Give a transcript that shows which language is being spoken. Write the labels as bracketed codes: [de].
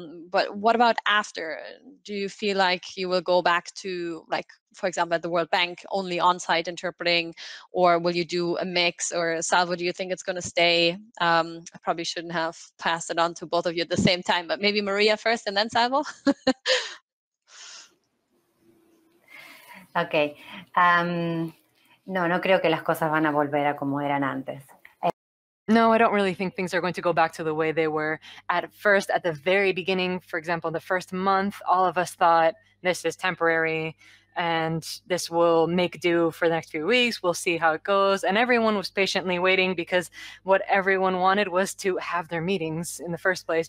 [en] But what about after? Do you feel like you will go back to like for example, at the World Bank, only on-site interpreting, or will you do a mix, or Salvo, do you think it's going to stay? I probably shouldn't have passed it on to both of you at the same time, but maybe Maria first and then Salvo. Okay. [es] No creo que las cosas van a volver a como eran antes. [en] No, I don't really think things are going to go back to the way they were at first, at the very beginning. For example, the first month, all of us thought this is temporary and this will make do for the next few weeks. We'll see how it goes. And everyone was patiently waiting because what everyone wanted was to have their meetings in the first place.